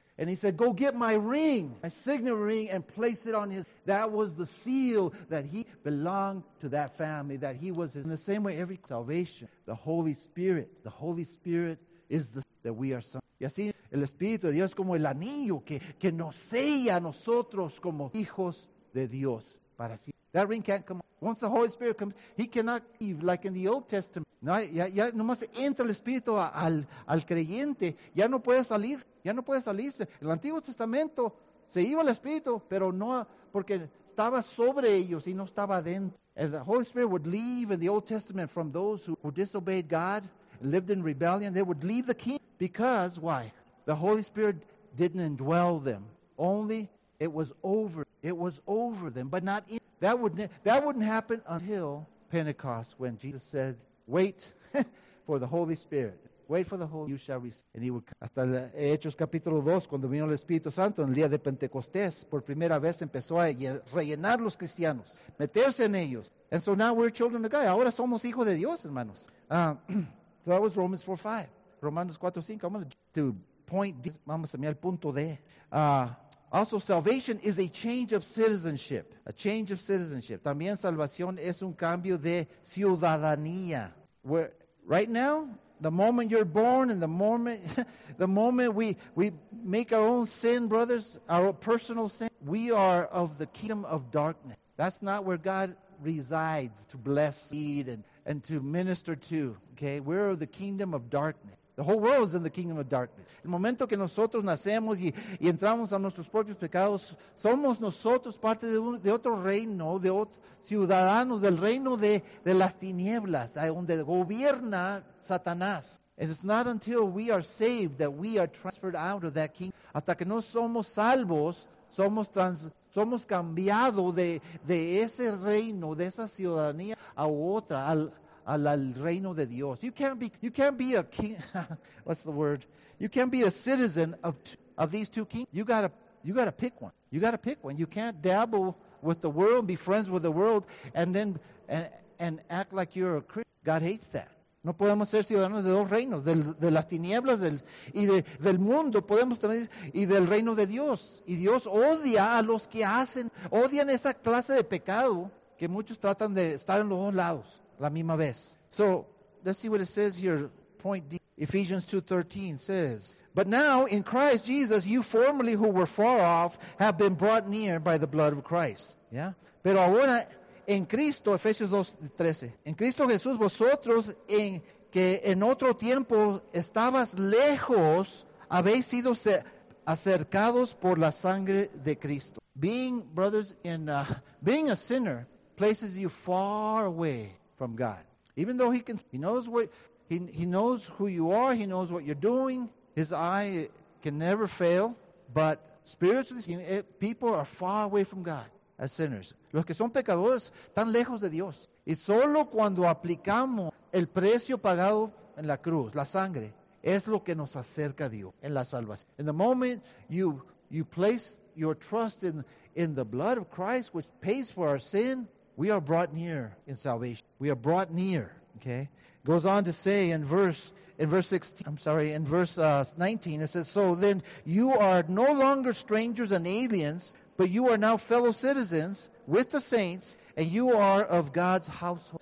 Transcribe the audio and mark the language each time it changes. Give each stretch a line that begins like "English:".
English: And he said, go get my ring, my signet ring, and place it on his. That was the seal that he belonged to that family, that he was his. In the same way, every salvation, the Holy Spirit is the that we are son.
Spanish: Y así, el Espíritu de Dios es como el anillo que nos sella a nosotros como hijos de Dios. Para así.
English: That ring can't come. Once the Holy Spirit comes, he cannot, like in the Old Testament,
Spanish: no, ya nomás entra el Espíritu al creyente, ya no puede salirse. El Antiguo Testamento se iba el Espíritu, pero no, porque estaba sobre ellos y no estaba dentro.
English: As the Holy Spirit would leave in the Old Testament from those who disobeyed God, lived in rebellion, they would leave the kingdom. Because, why? The Holy Spirit didn't indwell them. Only it was over them, but not in. That wouldn't happen until Pentecost, when Jesus said, wait for the Holy Spirit. Wait for the Holy Spirit, you shall receive. And he would come.
Spanish: Hasta Hechos capítulo 2, cuando vino el Espíritu Santo, en el día de Pentecostés, por primera vez empezó a rellenar los cristianos, meterse en ellos.
English: And so now we're children of God.
Spanish: Ahora somos hijos de Dios, hermanos.
English: So that was Romans 4:5. Romanos 4:5. I'm going to point D.
Spanish: Vamos a mirar el punto D.
English: Also, salvation is a change of citizenship. A change of citizenship.
Spanish: También salvación es un cambio de ciudadanía.
English: Where, right now, the moment you're born and the moment we make our own sin, brothers, our personal sin, we are of the kingdom of darkness. That's not where God resides to bless seed and to minister to. Okay, we're of the kingdom of darkness. The whole world is in the kingdom of darkness.
Spanish: El momento que nosotros nacemos y entramos a nuestros propios pecados, somos nosotros parte de otro reino, de otros ciudadanos del reino de las tinieblas, donde gobierna Satanás.
English: And it's not until we are saved that we are transferred out of that kingdom.
Spanish: Hasta que no somos salvos, somos cambiado de ese reino, de esa ciudadanía a otra, al reino de Dios.
English: You can't be a king. What's the word? You can't be a citizen of these two kings. You gotta pick one. You gotta pick one. You can't dabble with the world, be friends with the world, and then act like you're a Christian. God hates that.
Spanish: No podemos ser ciudadanos de dos reinos, de las tinieblas del mundo, podemos también, y del reino de Dios. Y Dios odia a los que odian esa clase de pecado que muchos tratan de estar en los dos lados. La misma vez.
English: So, let's see what it says here. Point D. Ephesians 2:13 says, but now in Christ Jesus, you formerly who were far off have been brought near by the blood of Christ. Yeah.
Spanish: Pero ahora en Cristo, Efesios 2:13. En Cristo Jesús, vosotros que en otro tiempo estabas lejos, habéis sido acercados por la sangre de Cristo.
English: Being, brothers, being a sinner places you far away from God. Even though he knows who you are, he knows what you're doing, his eye can never fail, but spiritually speaking, people are far away from God as sinners.
Spanish: Los que son pecadores están lejos de Dios. Y solo cuando aplicamos el precio pagado en la cruz, la sangre, es lo que nos acerca a Dios en la salvación.
English: In the moment you place your trust in the blood of Christ, which pays for our sin, we are brought near in salvation. We are brought near, okay? Goes on to say in verse 19, it says, so then you are no longer strangers and aliens, but you are now fellow citizens with the saints, and you are of God's household.